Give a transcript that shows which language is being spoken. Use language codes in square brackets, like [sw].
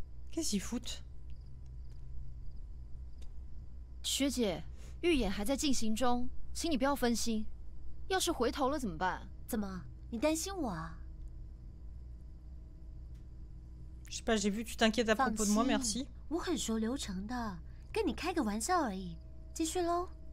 [fr] Qu'est-ce qu'ils foutent? [zh] ?学姐，预演还在进行中，请你不要分心。要是回头了怎么办？怎么，你担心我？ [fr] Je sais pas, j'ai vu, tu t'inquiètes à propos de moi, merci. [zh] ?我很熟流程的，跟你开个玩笑而已。继续喽。